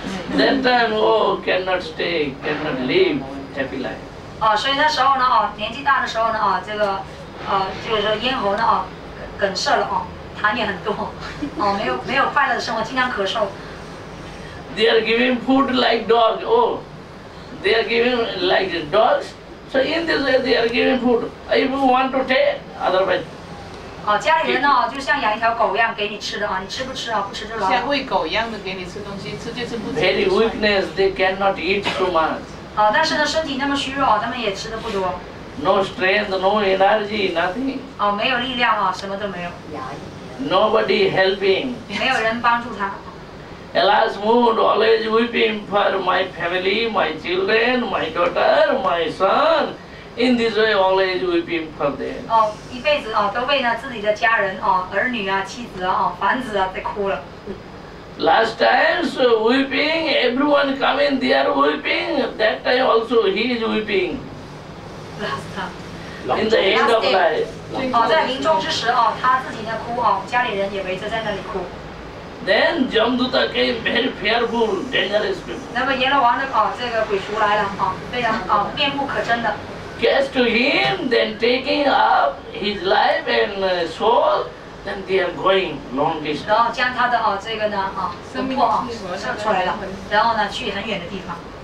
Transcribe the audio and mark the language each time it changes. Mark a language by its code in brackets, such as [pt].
[en] Then time, cannot stay, cannot live happy life. [zh] 所以那时候呢年纪大的时候呢这个就是说咽喉呢梗塞了痰也很多没有快乐的生活，经常咳嗽。 [en] They are giving food like dogs. They are giving like dogs. So in this way, they are giving food. If you want to take, otherwise. [zh] 家里人就像养一条狗一样给你吃的你吃不吃不吃就像喂狗一样的给你吃东西，吃就吃不吃。 [en] Very weakness, they cannot eat too much. [zh] 但是呢，身体那么虚弱，他们也吃的不多。 [en] No strength, no energy, nothing. [zh] 没有力量什么都没有。 [en] Nobody helping. [zh] 没有人帮助他。 [en] Alas, mood always weeping for my family, my children, my daughter, my son. In this way, always weeping for them. [zh] 一辈子都为了自己的家人儿女妻子房子在哭了。 [en] Last time, so weeping, everyone coming, they are weeping. That time also, he is weeping. Last time. In the end of life. [zh] 在临终之时他自己在哭家里人也围着在那里哭。 [en] Then Jamduta came very fearful, dangerous people. [zh] 那么阎罗王的这个鬼畜来了非常面目可憎的。 [en] Cast to him, then taking up his life and soul, then they are going long distance. [zh] 然后将他的这个呢魂魄上出来了，然后呢去很远的地方。